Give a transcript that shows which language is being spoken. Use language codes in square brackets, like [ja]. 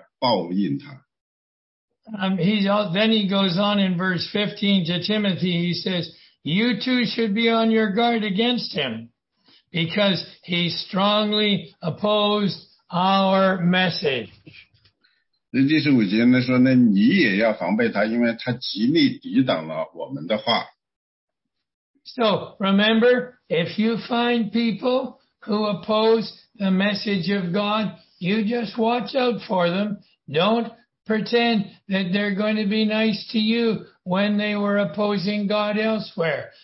[en] Then he goes on in verse 15 to Timothy. He says, you too should be on your guard against him because he strongly opposed our message. [zh] 第十五节呢说呢，你也要防备他，因为他极力抵挡了我们的话。 [en] So remember, if you find people who oppose the message of God, you just watch out for them. Don't pretend that they're going to be nice to you when they were opposing God elsewhere.